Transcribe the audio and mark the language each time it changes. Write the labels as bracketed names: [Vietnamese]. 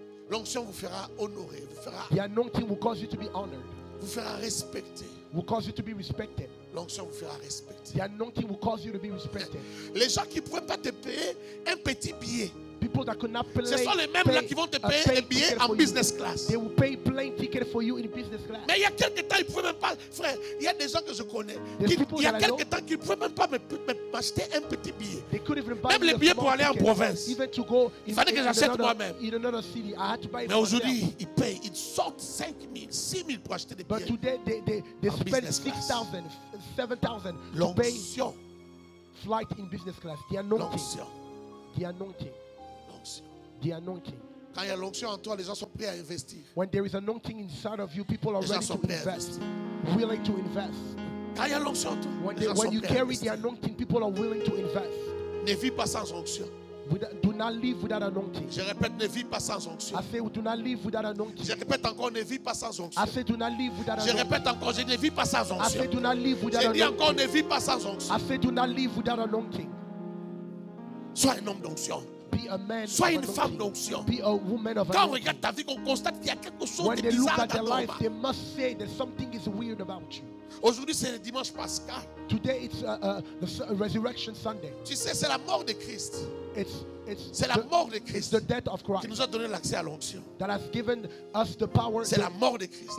[French] L'onction vous fera honorer. Vous fera. [English] The anointing will cause you to be honored. [French] Vous fera respecter. [English] Will cause you to be respected. [French] L'onction vous fera respecter. [English] The anointing will cause you to be respected. [French] Les gens qui pouvaient pas te payer un petit billet. [English] People that could not play, [French] ce sont les mêmes là qui vont te payer un billet en business class. [English] They will pay plane ticket for you in business class. [French] Mais il y a quelques temps, ils pouvaient même pas, frère. Il y a des gens que je connais. Il y a quelques temps, ils pouvaient même pas me acheter un petit billet. [English] They could even buy [French] même les billets pour aller en province. [English] Even to go [French] il fallait que j'achète moi-même. [English] In another city, I had to buy [French] mais aujourd'hui, ils payent. Ils sortent 5 000, 6 000 pour acheter des billets. [English] But today, they spend 6,000, 7,000. [French] L'onction. [English] Flight in business class. The anointing. [French] L'onction. [English] The anointing. The anointing. [French] Quand il y a l'onction en toi, les gens sont prêts à investir. [English] When there is anointing inside of you, people are ready to invest. Willing to invest. [French] Quand il y a l'onction en toi, [English] when, they, when you carry the anointing, people are willing to invest. [French] Ne vis pas sans onction. [English] Do not live without anointing. [French] Je répète, ne vis pas sans onction. [English] I say, do not live without anointing. [French] Je répète encore, ne vis pas sans onction. [English] I say, do not live without anointing. [French] Je répète encore, je ne vis pas sans onction. [English] I say, do not live without anointing. [French] Je dis encore, ne vis pas sans onction. [English] I say, do not live without anointing. [French] Sois un homme d'onction. [English] be a man. [French] Sois une femme d'onction. [English] Be a woman of anointing. [French] Quand regarde ta vie, qu'on constate qu'il y a quelque chose de bizarre dans ta vie. [English] When they look at your life, they must say that something is weird about you. [French] Aujourd'hui c'est le dimanche pascal. [English] Today it's the resurrection Sunday. [French] Tu sais, c'est la mort de Christ. C'est la mort de Christ. [English] The death of Christ. [French] Qui nous a donné l'accès à l'onction. [English] That has given us the power. [French] C'est la mort de Christ.